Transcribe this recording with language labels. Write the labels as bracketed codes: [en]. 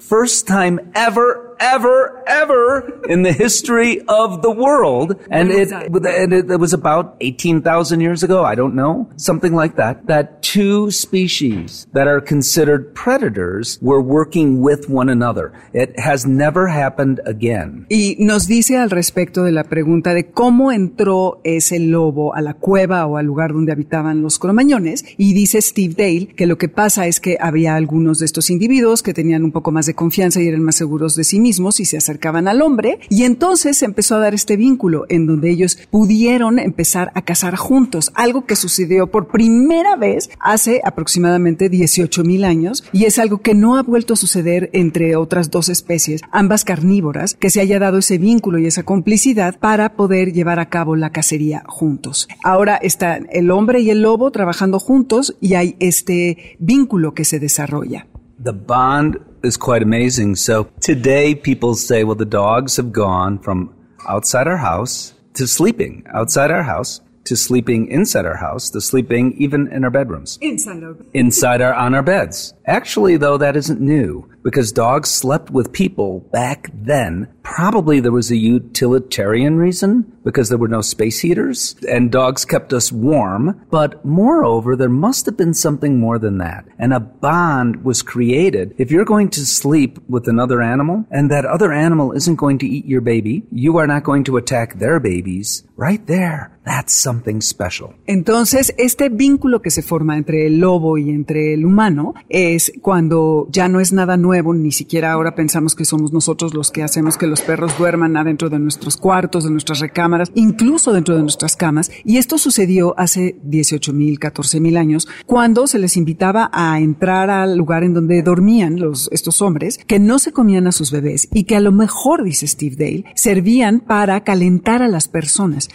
[en] First time ever, ever, ever in the history of the world. And it was about 18,000 years ago, I don't know, something like that, that two species that are considered predators were working with one another. It has never happened again. [es] Y nos dice al respecto de la pregunta de cómo entró ese lobo a la cueva o al lugar donde habitaban los cromañones, y dice Steve Dale que lo que pasa es que había algunos de estos individuos que tenían un poco más de confianza y eran más seguros de sí mismos y se acercaban al hombre, y entonces empezó a dar este vínculo en donde ellos pudieron empezar a cazar juntos, algo que sucedió por primera vez hace aproximadamente 18,000 años, y es algo que no ha vuelto a suceder entre otras dos especies, ambas carnívoras, que se haya dado ese vínculo y esa complicidad para poder llevar a cabo la cacería juntos. Ahora están el hombre y el lobo trabajando juntos y hay este vínculo que se desarrolla. [en] The bond is quite amazing. So today people say, well, the dogs have gone from outside our house to sleeping outside our house to sleeping inside our house, to sleeping even in our bedrooms. Inside our on our beds. Actually, though, that isn't new, because dogs slept with people back then, probably there was a utilitarian reason, because there were no space heaters and dogs kept us warm. But moreover, there must have been something more than that. And a bond was created. If you're going to sleep with another animal and that other animal isn't going to eat your baby, you are not going to attack their babies. Right there, that's something special. [es] Entonces, este vínculo que se forma entre el lobo y entre el humano es cuando ya no es nada nuevo, ni siquiera ahora pensamos que somos nosotros los que hacemos que los perros duerman adentro de nuestros cuartos, de nuestras recámaras, incluso dentro de nuestras camas. Y esto sucedió hace 18.000, 14.000 años, cuando se les invitaba a entrar al lugar en donde dormían estos hombres, que no se comían a sus bebés y que a lo mejor, dice Steve Dale, servían para calentar a las personas.